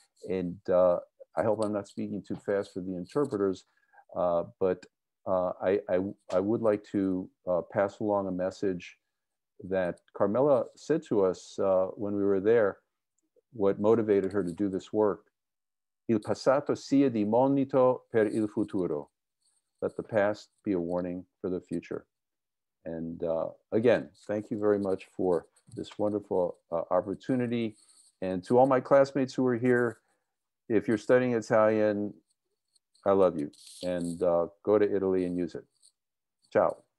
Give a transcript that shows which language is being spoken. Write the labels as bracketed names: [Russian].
[English] And I hope I'm not speaking too fast for the interpreters, but I would like to pass along a message that Carmela said to us when we were there, what motivated her to do this work. [Italian] Il passato sia di monito per il futuro. [English] Let the past be a warning for the future. And again, thank you very much for this wonderful opportunity. And to all my classmates who are here, if you're studying Italian, I love you. And go to Italy and use it. Ciao.